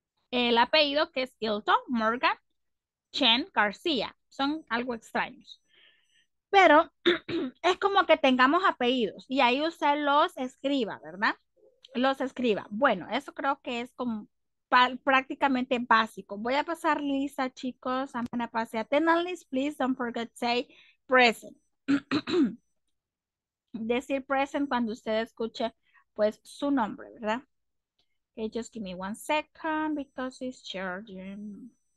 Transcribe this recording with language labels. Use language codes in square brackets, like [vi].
[es] El apellido que es Hilton, Morgan, Chen, García. Son algo extraños. Pero es como que tengamos apellidos y ahí usted los escriba, ¿verdad? Los escriba. Bueno, eso creo que es como prácticamente básico. Voy a pasar lista, chicos. [en] I'm going to pass it. Attend and list, please don't forget to say present. [es] Decir present cuando usted escuche, pues, su nombre, ¿verdad? [en] Okay, just give me one second because it's charging.